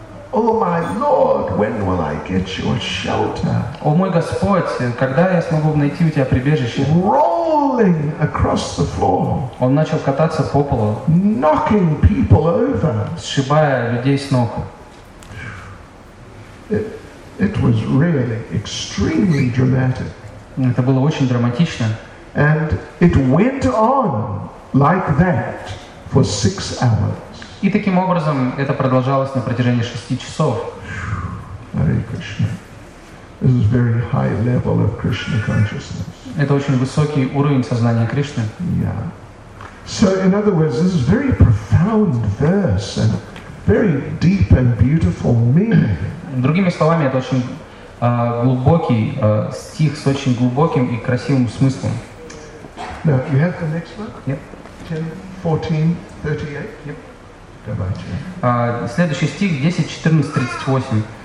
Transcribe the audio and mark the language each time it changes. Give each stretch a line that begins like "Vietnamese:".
English: Oh my Lord, when will I get your shelter?
Russian: О мой Господь, когда я смогу найти у тебя прибежище?
English: Rolling across the floor.
Russian: Он начал кататься по полу.
English: Knocking people over.
Russian: Сшибая людей с ног.
English: It was really extremely dramatic.
Russian: Это было очень драматично.
English: And it went on like that for 6 hours.
Russian: И таким образом это продолжалось на протяжении 6 часов.
English: Hare Krishna. This is very high level of Krishna consciousness.
Russian: Это очень высокий уровень сознания Кришны.
English: Yeah. So in other words, this is very profound verse and very deep and beautiful meaning.
Russian: Другими словами, это очень глубокий стих с очень глубоким и красивым смыслом.
English: Now, you have the next one? Yep. 10:14:38. Yep.
Russian: Давайте. Следующий стих 10:14:38.